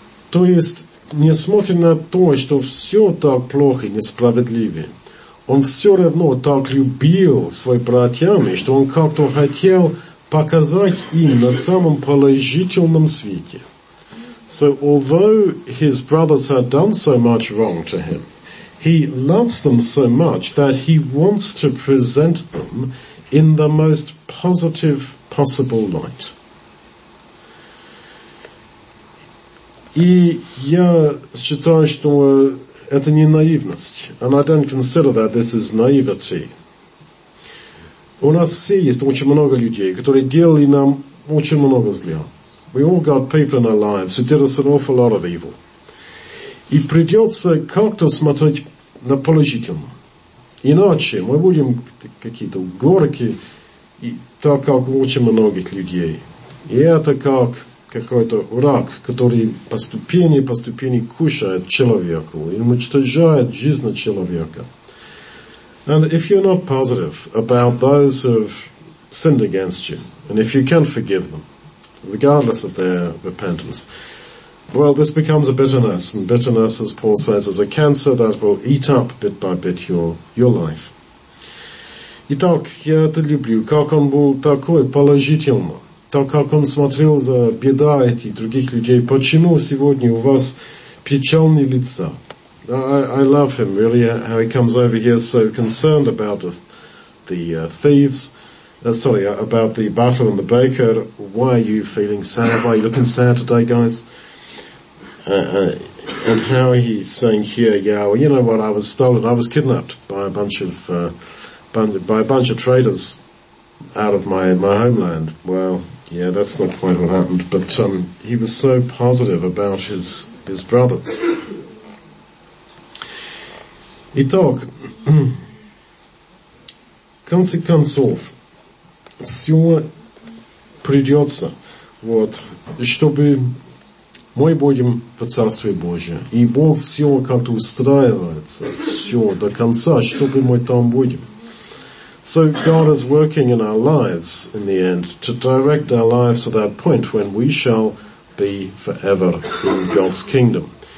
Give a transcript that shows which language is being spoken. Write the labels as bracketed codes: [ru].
[ru] То есть, несмотря на то, что все так плохо и несправедливо, он все равно так любил свои братьями, что он как-то хотел показать им на самом положительном свете. [en] So although his brothers had done so much wrong to him, he loves them so much that he wants to present them in the most positive possible light. [ru] И я считаю, что это не наивность. [en] And I don't consider that this is naivety. [ru] У нас все есть очень много людей, которые делали нам очень много зла. [en] We all got people in our lives who did us an awful lot of evil. [ru] И придется как-то смотреть на положительное. Иначе мы будем какие-то горки, так как очень многих людей. И это как какой-то рак, который по ступени кушает человеку и уничтожает жизнь человека. [en] And if you're not positive about those who have sinned against you, and if you can forgive them, regardless of their repentance, well, this becomes a bitterness, and bitterness, as Paul says, is a cancer that will eat up bit by bit your life. [ru] Итак, я это люблю, как он был такой положительный, так как он смотрел за беда этих других людей, почему сегодня у вас печальные лица? [en] I love him, really, how he comes over here so concerned about about the butler and the baker. Why are you feeling sad? Why are you looking sad today, guys? And how he's saying here, yeah, well, you know what, I was stolen, I was kidnapped by a bunch of traders out of my homeland. Well, yeah, that's not quite what happened, but he was so positive about his brothers. [ru] Итак, в конце концов, все придется, вот, чтобы мы будем в Царстве Божьем, и Бог все как-то устраивается, все до конца, чтобы мы там будем. [en] So God is working in our lives in the end to direct our lives to that point when we shall be forever in God's kingdom.